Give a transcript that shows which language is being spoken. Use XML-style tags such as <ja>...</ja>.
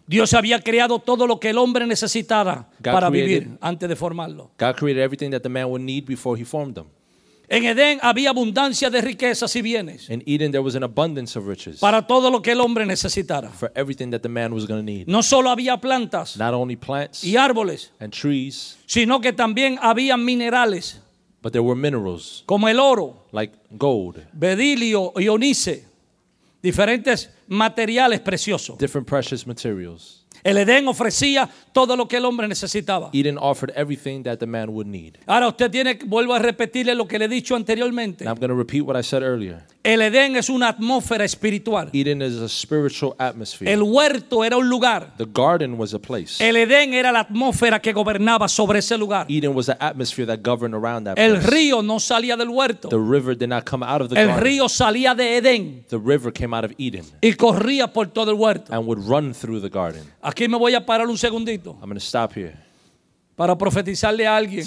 <es>Dios había creado todo lo que el hombre necesitara para vivir antes de formarlo.</es> <en>God created everything that the man would need before he formed them.</en> <es>En Edén había abundancia de riquezas y bienes.</es> <en>In Eden there was an abundance of riches.</en> <es>Para todo lo que el hombre necesitara.</es> <en>For everything that the man was going to need.</en> <es>No solo había plantas.</es> <en>Not only plants.</en> <es>Y árboles.</es> <en>And trees.</en> <es>Sino que también había minerales.</es> <en>But there were minerals.</en> <es>Como el oro.</es> <en>Like gold.</en> <es>Berilio y onice. Diferentes materiales preciosos.</es> <en>Different precious materials.</en> <es>El Edén ofrecía todo lo que el hombre necesitaba.</es> <en>Eden offered everything that the man would need.</en> <es>Ahora usted tiene, vuelvo a repetirle lo que le he dicho anteriormente.</es> <en>And I'm going to repeat what I said earlier.</en> <es>El Edén es una atmósfera espiritual.</es> <en>Eden is a spiritual atmosphere.</en> <es>El huerto era un lugar.</es> <en>The garden was a place.</en> <es>El Edén era la atmósfera que gobernaba sobre ese lugar.</es> <en>Eden was the atmosphere that governed around that</en> <es>el</es> <en>place.</en> <es>El río no salía del huerto.</es> <en>The river did not come out of the</en> <es>el</es> <en>garden.</en> <es>El río salía de Edén.</es> <en>The river came out of Eden.</en> <es>Y corría por todo el huerto.</es> <en>And would run through the garden.</en> <es>Aquí me voy a parar un segundito.</es> <en>I'm going to stop here.</en> <es>Para profetizarle a alguien.</es>